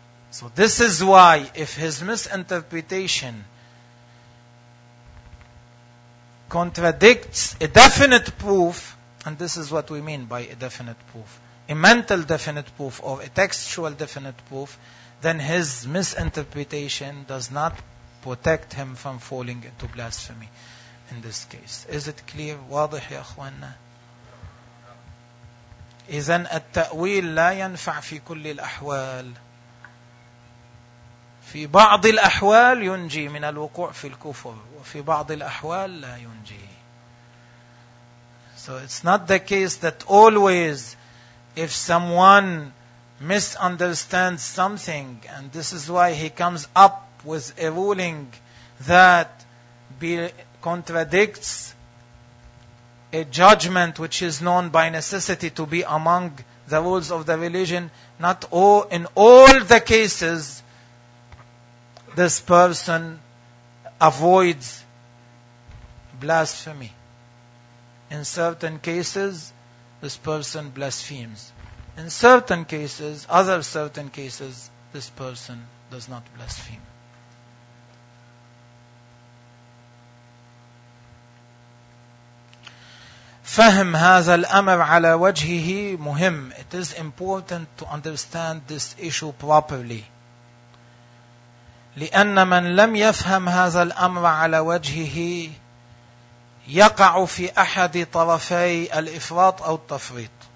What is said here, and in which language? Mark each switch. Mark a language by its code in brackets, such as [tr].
[en] So this is why, if his misinterpretation contradicts a definite proof, and this is what we mean by a definite proof, a mental definite proof or a textual definite proof, then his misinterpretation does not protect him from falling into blasphemy in this case. Is it clear? [ar] واضح يا أخوانا؟ إذن التأويل لا ينفع في كل الأحوال. في بعض الأحوال ينجي من الوقوع في الكفر وفي بعض الأحوال لا ينجي. [en] So it's not the case that always if someone misunderstands something, and this is why he comes up with a ruling that contradicts a judgment which is known by necessity to be among the rules of the religion, not all, in all the cases this person avoids blasphemy. In certain cases, this person blasphemes. In certain cases, other certain cases, this person does not blaspheme. [ar] فهم هذا الأمر على وجهه مهم. [en] It is important to understand this issue properly. [ar] لأن من لم يفهم هذا الأمر على وجهه يقع في أحد طرفي الإفراط أو التفريط.